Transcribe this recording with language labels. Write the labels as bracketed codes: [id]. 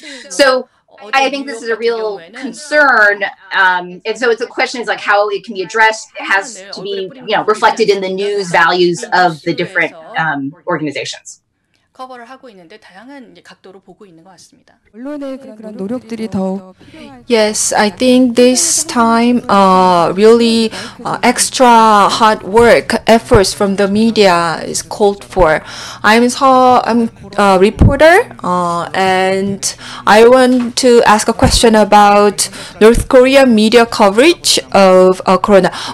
[en] So I think this is a real concern. And so it's a question is like how it can be addressed. It has to be, reflected in the news values of the different organizations. [ko] 커버를 하고 있는데 다양한 각도로 보고 있는 것 같습니다. 언론의 그런 노력들이 더욱 [en] Yes, I think this time really extra hard work efforts from the media is called for. I'm a reporter and I want to ask a question about North Korea media coverage of corona.